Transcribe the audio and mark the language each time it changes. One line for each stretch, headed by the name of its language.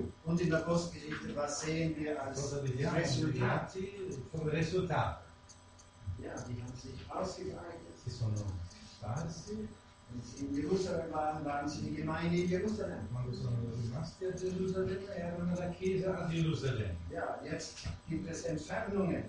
German: Und in der Postgeschichte, was sehen wir als Resultat? Vom Resultat. Ja, die haben sich ausgebreitet. Sie sind quasi. Wenn sie in Jerusalem waren, waren sie die Gemeinde in Jerusalem.
Italian: Quando sono rimasti a Gerusalemme, erano la chiesa a Gerusalemme.
German: Ja, jetzt gibt es Entfernungen.